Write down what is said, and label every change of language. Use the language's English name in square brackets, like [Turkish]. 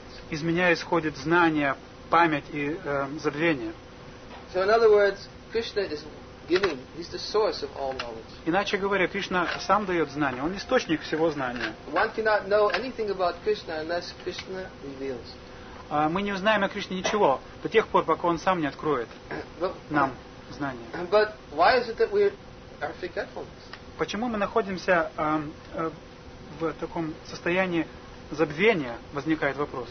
[Russian] Из меня исходит знание, память и забвение. [English] So in other words, Krishna is giving. He's the source of all knowledge. [Russian] Иначе говоря, Кришна сам дает знание. Он источник всего знания. [English] One cannot know anything about Krishna unless Krishna reveals. [Russian] Мы не узнаем о Кришне ничего до тех пор, пока он сам не откроет нам знание. [English] But why is it that we are forgetfulness? [Russian] Почему мы находимся в таком состоянии забвения, возникает вопрос.